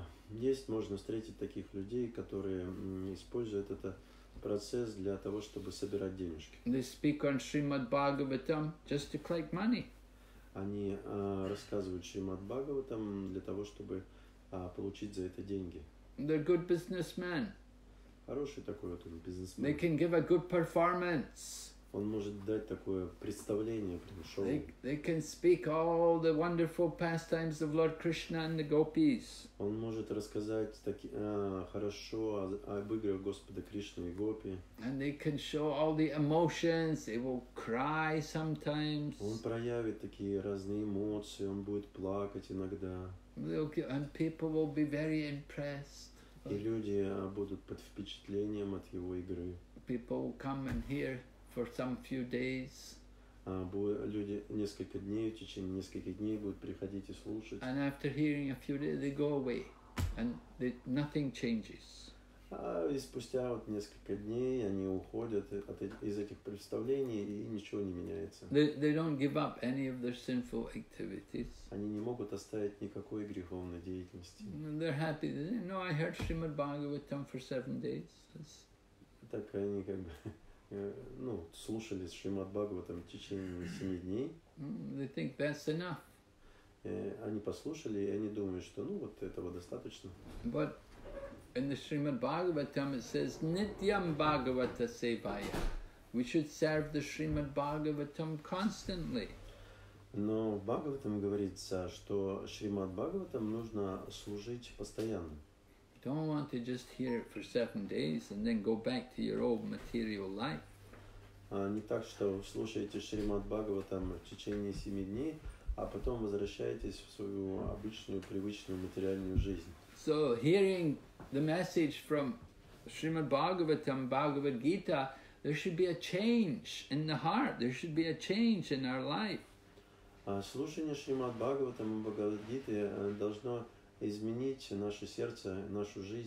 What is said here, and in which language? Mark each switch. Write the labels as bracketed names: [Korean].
[Russian] Есть, можно встретить таких людей, которые используют этот процесс для того, чтобы собирать денежки. [English] They speak on Srimad Bhagavatam just to collect money. [Russian] Они рассказывают Шримад Бхагаватам для того, чтобы получить за это деньги. [English] They're good businessmen. [Russian] Хороший такой вот бизнесмен. [English] They can give a good performance. [Russian] Он может дать такое представление, прям шоу. [English] They can speak all the wonderful pastimes of Lord Krishna and the gopis. [Russian] Он может рассказать хорошо об играх Господа Кришны и гопи. [English] And they can show all the emotions. They will cry sometimes. [Russian] Он проявит такие разные эмоции. Он будет плакать иногда. [English] And people will be very impressed. [Russian] И люди будут под впечатлением от его игры. [English] People will come and hear for some few days. [Russian] Люди несколько дней, в течение нескольких дней будут приходить и слушать. [English] And after hearing a few days, they go away, and nothing changes. [Russian] И спустя вот несколько дней они уходят из этих представлений, и ничего не меняется. [English] They don't give up any of their sinful activities. [Russian] Они не могут оставить никакой греховной деятельности. [English] They're happy. No, I heard Srimad Bhagavatam for 7 days. [Russian] Так они как бы, ну, слушали Шримад Бхагаватам в течение 7 дней. [English] They think that's enough. [Russian] Они послушали, и они думают, что ну вот этого достаточно. [English] But in the Srimad Bhagavatam it says [Sanskrit] Nityam Bhagavata Sevaya. [English] We should serve the Srimad Bhagavatam constantly. [Russian] Но в Бхагаватам говорится, что Шримад Бхагаватам нужно служить постоянно. [English] Don't want to just hear it for 7 days and then go back to your old material life. [Russian] Не так, что вы слушаете Шримад Бхагаватам в течение 7 дней, а потом возвращаетесь в свою обычную, привычную материальную жизнь. [English] So hearing the message from Srimad Bhagavatam, Bhagavad Gita, there should be a change in the heart, there should be a change in our life. [Russian] Слушание Шримад Бхагаватам и Бхагавад Гиты должно изменить наше сердце, нашу